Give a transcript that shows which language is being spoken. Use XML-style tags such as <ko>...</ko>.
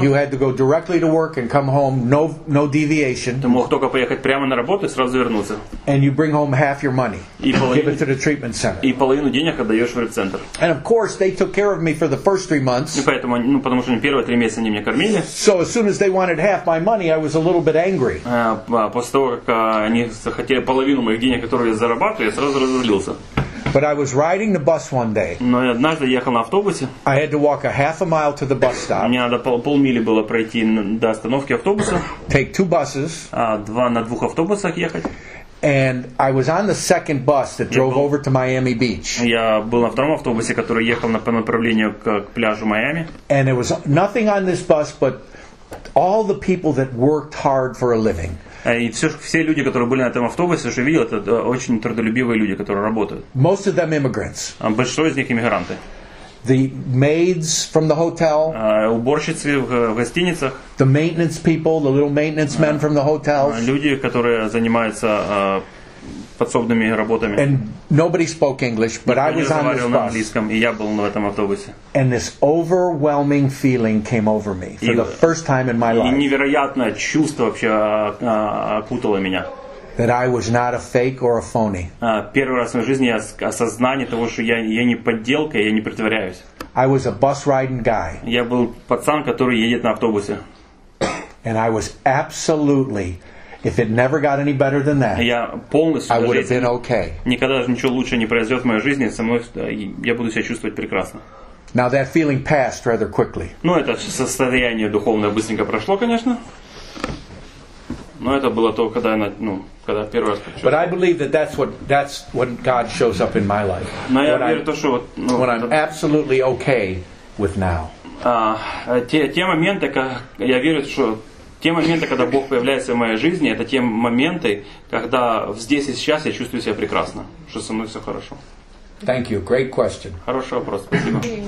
<en>You had to go directly to work and come home, no deviation.</en> <ru>Ты мог только поехать прямо на работу и сразу вернуться.</ru> <en>And you bring home half your money.</en> <ru>И половину,</ru> <en>give it to the treatment center.</en> <ru>И половину денег отдаешь в реабцентр.</ru> <en>And of course, they took care of me for the first 3 months.</en> <ru>И поэтому, ну потому что первые 3 месяца они меня кормили.</ru> <en>So as soon as they wanted half my money, I was a little bit angry.</en> <ru>После того, как они захотели половину моих денег, которые я зарабатываю, я сразу разозлился.</ru> <en>But I was riding the bus one day.</en> <ru>Но я однажды ехал на автобусе.</ru> <en>I had to walk a half a mile to the bus stop.</en> <ru>Мне надо полмили было пройти до остановки автобуса.</ru> <en>Take two buses.</en> <ru>Два на двух автобусах ехать.</ru> <en>And I was on the second bus that drove over to Miami Beach.</en> <ru>Я был на втором автобусе, который ехал по направлению к пляжу Майами.</ru> <en>And it was nothing on this bus but all the people that worked hard for a living.</en> <ru>И все люди, которые были на этом автобусе, уже видели, это очень трудолюбивые люди, которые работают.</ru> <en>Most of them immigrants.</en> <ru>Большинство из них иммигранты.</ru> <en>The maids from the hotel.</en> <ru>Уборщицы в гостиницах.</ru> <en>The maintenance people, the little maintenance men from the hotels.</en> <ru>Люди, которые занимаются подсобными работами.</ru> <en>And nobody spoke English, but</en> <ru>никто</ru> <en>I was on this bus.</en> <ru>На английском, и я был на этом автобусе.</ru> <en>And this overwhelming feeling came over me for the first time in my life.</en> <ru>И невероятное чувство вообще окутало меня.</ru> <en>That I was not a fake or a phony.</en> <ru>Первый раз в жизни я осознание того, что я не подделка, я не притворяюсь.</ru> <en>I was a bus riding guy.</en> <ru>Я был пацан, который едет на автобусе.</ru> <en>And I was absolutely, if it never got any better than that,</en> <ru>я полностью,</ru> <en>I would have been okay.</en> <ru>Никогда ничего лучше не произойдет в моей жизни, со мной я буду себя чувствовать прекрасно.</ru> <en>Now that feeling passed rather quickly.</en> <ru>Ну, это состояние духовное быстренько прошло, конечно. Но это было то, когда я, ну, когда первый раз почувствовал.</ru> <en>But I believe that that's when God shows up in my life.</en> <ru>Но я верю то, что</ru> <en>when I'm absolutely okay with now.</en> <ru>Те моменты, я верю, что те моменты, когда Бог появляется в моей жизни, это те моменты, когда здесь и сейчас я чувствую себя прекрасно, что со мной все хорошо.</ru> <en>Thank you. Great question.</en> <ru>Хороший вопрос. Спасибо.</ru>